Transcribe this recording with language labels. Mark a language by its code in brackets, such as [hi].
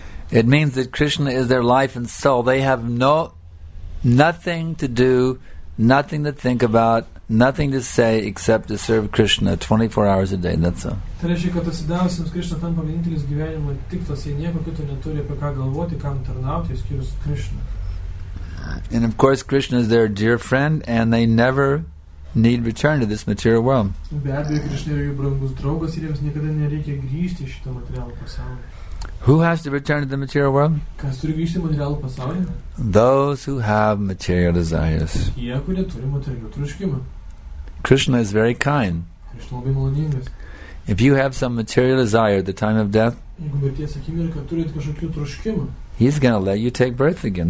[en] It means that Krishna is their life and soul. They have nothing to do, nothing to think about, nothing to say except to serve Krishna 24 hours a day. That's all. [lt] Tai reiškia, kad atsidavusiems Krishna tampa vienintelis gyvenimo tikslas, jie nieko kito neturi apie ką galvoti, kam tarnauti, išskyrus Krishna. [en] And of course, Krishna is their dear friend, and they never need return to this material world. [lt] Be abejo, Krishna yra jų brangus draugas, ir jiems niekada nereikia grįžti į šitą materialų pasaulį. [en] Who has to return to the material world? [lt] Kas turi grįžti į materialų pasaulį? [en] Those who have material desires. [lt] Jie, kurie turi materialų troškimą. [en] Krishna is very kind. [lt] Krishna labai maloningas. [en] If you have some material desire at the time of death, he's going to let you take birth again.